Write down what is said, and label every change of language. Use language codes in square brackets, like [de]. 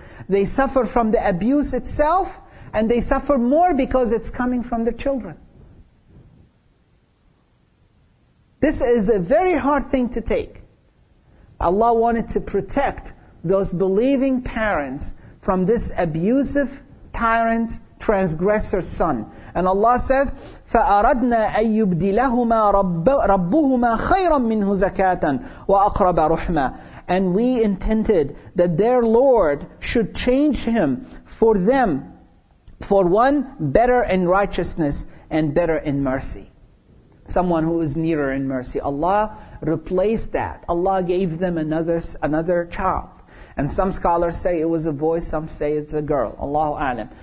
[en] They suffer from the abuse itself, and they suffer more because it's coming from their children. This is a very hard thing to take. Allah wanted to protect those believing parents from this abusive tyrant, transgressor son. And Allah says, [ar] فَأَرَدْنَا أَن يُبْدِلَهُمَا رَبُّهُمَا خَيْرًا مِّنْهُ زَكَاةً وَأَقْرَبَ رُحْمًا. [en] And we intended that their Lord should change him for them, for one better in righteousness and better in mercy. Someone who is nearer in mercy. Allah replaced that. Allah gave them another child. And some scholars say it was a boy, some say it's a girl. Allahu A'lam.